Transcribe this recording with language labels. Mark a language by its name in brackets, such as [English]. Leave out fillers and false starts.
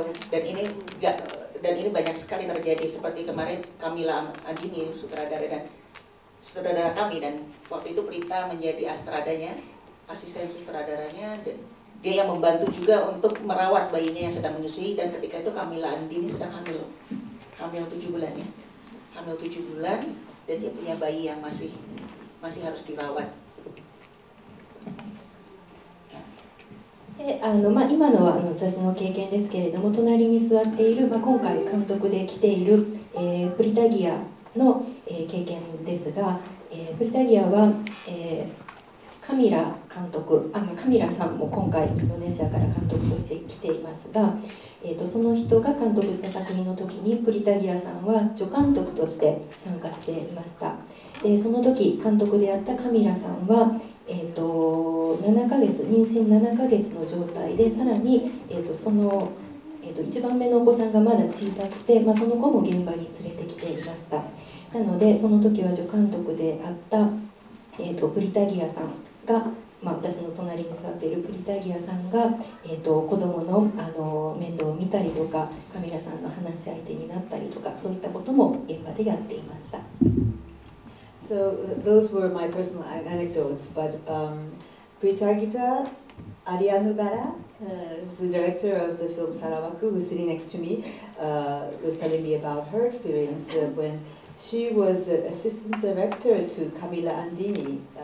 [Indonesian] Dan ini banyak sekali terjadi seperti kemarin Kamila Adini sutradara kami dan waktu itu Prita menjadi astradanya, asisten sutradaranya dan dia yang membantu juga untuk merawat bayinya yang sedang menyusui dan ketika itu Kamila Adini sedang hamil 7 bulan dan dia punya bayi yang masih harus dirawat。 [Japanese] まあ、今のは私の経験ですけれども隣に座っている、まあ、今回監督で来ている、プリタギアの、経験ですが、プリタギアは、カミラ監督カミラさんも今回インドネシアから監督として来ていますが、その人が監督した作品の時にプリタギアさんは助監督として参加していました。でその時監督であったカミラさんは妊娠7ヶ月の状態でさらに、1番目のお子さんがまだ小さくて、まあ、その後も現場に連れてきていました。なのでその時は助監督であった、プリタギアさんが、まあ、私の隣に座っているプリタギアさんが、子供の、面倒を見たりとかカミラさんの話し相手になったりとかそういったことも現場でやっていました。 [English] So those were my personal anecdotes, but Pritagita Ariyanugara, who's the director of the film Sarawaku, who's sitting next to me, was telling me about her experience when she was assistant director to Kamila Andini.